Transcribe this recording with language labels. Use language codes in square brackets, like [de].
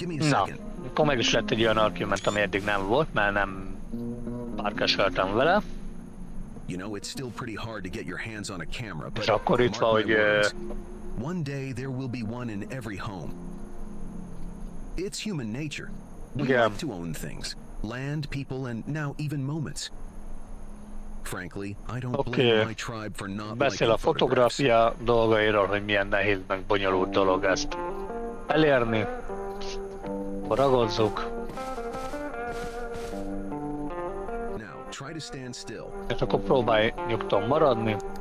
[hu] Na, akkor meg is lett egy olyan argument, ami eddig nem volt, mert nem parkesöltem vele. [en] You know, it's still pretty hard to get your hands on a camera, but [hu] akkor itt van, hogy [en] one day there will be one in every home. It's human nature. We like to own things, land, people, and now even moments. Frankly, I don't blame my tribe for not liking photographs. [hu] Beszél a fotográfia dolgairól, hogy milyen nehéz meg bonyolult dolog ezt elérni. Ragozzuk. [en] Try to stand still. [hu] És akkor próbálj nyugton maradni.